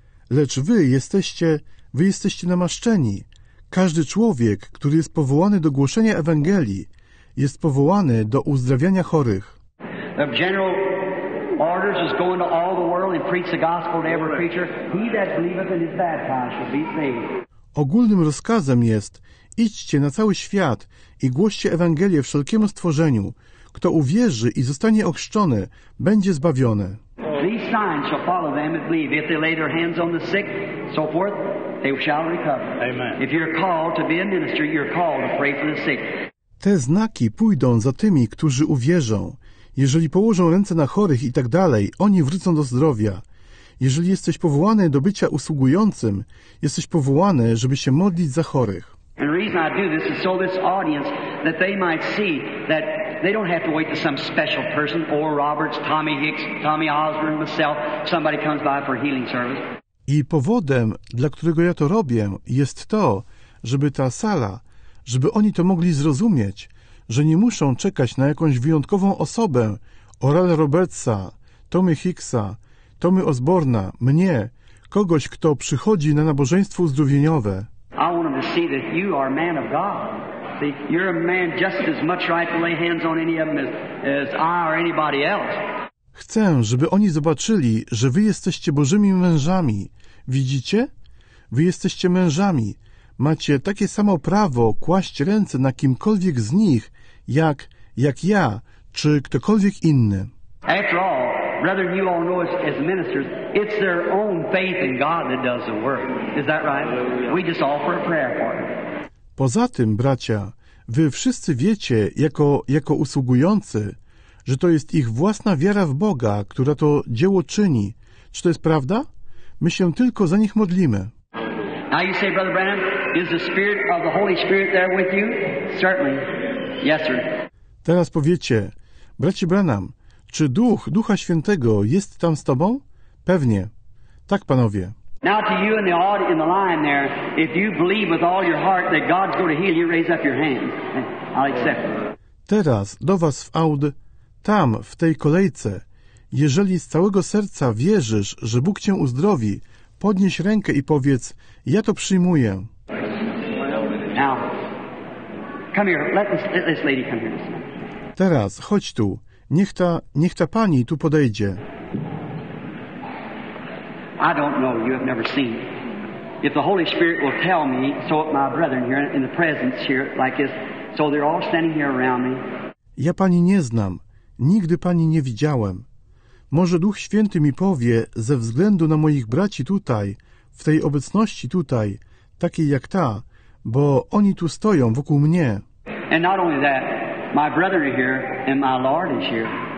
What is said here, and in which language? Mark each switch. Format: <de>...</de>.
<pl>Lecz wy jesteście namaszczeni. Każdy człowiek, który jest powołany do głoszenia Ewangelii, jest powołany do uzdrawiania chorych.</pl> <en>The general orders is going to all the world and preach the gospel to every creature. He that believeth and is baptized shall be saved.</en> <pl>Ogólnym rozkazem jest: idźcie na cały świat i głoście Ewangelię wszelkiemu stworzeniu. Kto uwierzy i zostanie ochrzczony, będzie zbawiony.</pl> <en>These signs shall follow them that believe. If they lay their hands on the sick, so forth, they shall recover. Amen. If you're called to be a minister, you're called to pray for the sick.</en> <pl>Te znaki pójdą za tymi, którzy uwierzą. Jeżeli położą ręce na chorych i tak dalej, oni wrócą do zdrowia. Jeżeli jesteś powołany do bycia usługującym, jesteś powołany, żeby się modlić za chorych.</pl> <en>And the reason I do this is so this audience, that they might see that they don't have to wait to some special person, Oral Roberts, Tommy Hicks, Tommy Osborne, myself, somebody comes by for healing service.</en> <pl>I powodem, dla którego ja to robię, jest to, żeby ta sala, żeby oni to mogli zrozumieć, że nie muszą czekać na jakąś wyjątkową osobę, Orala Robertsa, Tommy Hicksa, Tommy Osborna, mnie, kogoś, kto przychodzi na nabożeństwo uzdrowieniowe.</pl> <en>I want them to see that you are a man of God. See, you're a man just as much right to lay hands on any of them as I or anybody else.</en> <pl>Chcę, żeby oni zobaczyli, że wy jesteście Bożymi mężami. Widzicie? Wy jesteście mężami. Macie takie samo prawo kłaść ręce na kimkolwiek z nich, jak ja, czy ktokolwiek inny.</pl> <en>After all, brother, you all know us as ministers, it's their own faith in God that does the work. Is that right? We just offer a prayer for them.</en> <pl>Poza tym, bracia, wy wszyscy wiecie, jako usługujący, że to jest ich własna wiara w Boga, która to dzieło czyni. Czy to jest prawda? My się tylko za nich modlimy.</pl> <en>Now you say, Brother Branham, is the Spirit of the Holy Spirit there with you? Certainly. Yes, sir.</en> <pl>Teraz powiecie, Bracie Branham, czy Duch Ducha Świętego jest tam z Tobą? Pewnie. Tak, Panowie.</pl> <en>Now to you in the audience, in the line there, if you believe with all your heart that God's going to heal you, raise up your hand. I'll accept it.</en> <pl>Teraz do Was w aud, tam, w tej kolejce, jeżeli z całego serca wierzysz, że Bóg Cię uzdrowi, podnieś rękę i powiedz, ja to przyjmuję.</pl> <en>Now, come here, let this lady come here.</en> <pl>Teraz, chodź tu, niech ta pani tu podejdzie.</pl> <en>I don't know, you have never seen. If the Holy Spirit will tell me, so if my brethren here in the presence here, like this, so they're all standing here around me.</en> <pl>Ja pani nie znam, nigdy pani nie widziałem. Może Duch Święty mi powie, ze względu na moich braci tutaj, w tej obecności tutaj, takiej jak ta, bo oni tu stoją wokół mnie.</pl> <en>And not only that, my brethren are here and my Lord is here.</en>